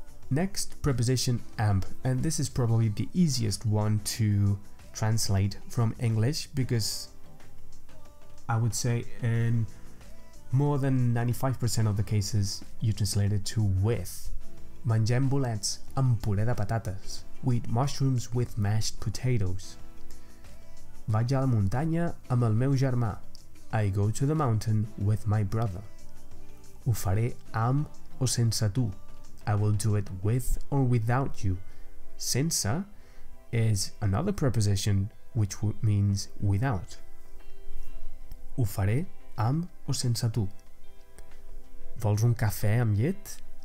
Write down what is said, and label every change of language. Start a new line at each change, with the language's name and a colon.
English: Next, preposition amb, and this is probably the easiest one to translate from English because I would say in more than 95% of the cases you translate it to with.
Catalan: Mengem bolets amb puré de patates.
English: We eat mushrooms with mashed potatoes.
Catalan: Vaig a la muntanya amb el meu germà.
English: I go to the mountain with my brother.
Catalan: Ho faré amb o sense tu.
English: I will do it with or without you. Sense is another preposition which means without.
Catalan: Ho faré amb o sense tu. Vols un cafè amb llet?